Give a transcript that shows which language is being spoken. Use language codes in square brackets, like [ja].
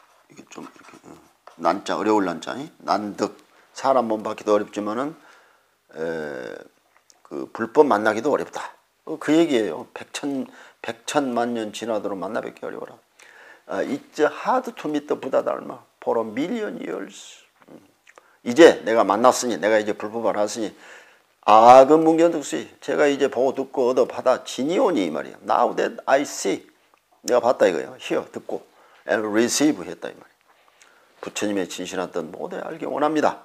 [ko] 이게 좀 이렇게 난자 어려울 난자 난득 사람 몸 받기도 어렵지만은 그 불법 만나기도 어렵다 그 얘기예요. 백천만년 지나도록 만나뵙기 어려워라. [en] It's hard to meet the Buddha Dharma for a million years. [ko] 이제 내가 만났으니 내가 이제 불법을 알았으니 아금 문견득수이 제가 이제 보고 듣고 얻어 받아 지니오니 이 말이야. [en] Now that I see [ko] 내가 봤다 이거예요. Hear 듣고 and receive 했다 이 말이야. 부처님의 진실한 뜻 모두 알기 원합니다.